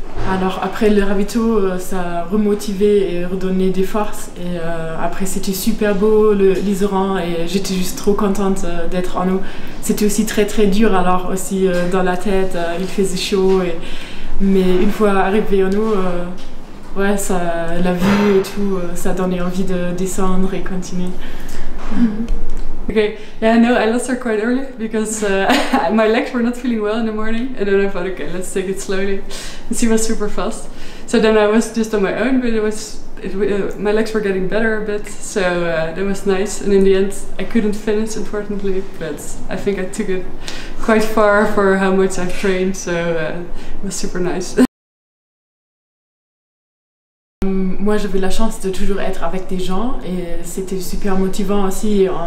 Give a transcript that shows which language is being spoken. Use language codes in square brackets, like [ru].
[fr] Alors après le ravito, ça remotivait et redonnait des forces et après c'était super beau l'Iseran et j'étais juste trop contente d'être en eau. C'était aussi très très dur alors aussi dans la tête, il faisait chaud et... mais une fois arrivé en eau, ouais, ça, la vue et tout, ça donnait envie de descendre et continuer. [en] Okay, yeah, no, I lost her quite early because my legs were not feeling well in the morning and then I thought, okay, let's take it slowly. And she was super fast. So then I was just on my own, but my legs were getting better a bit, so that was nice. And in the end, I couldn't finish, unfortunately, but I think I took it quite far for how much I've trained, so it was super nice. [fr] Moi, j'avais la chance de toujours être avec des gens et c'était super motivant aussi.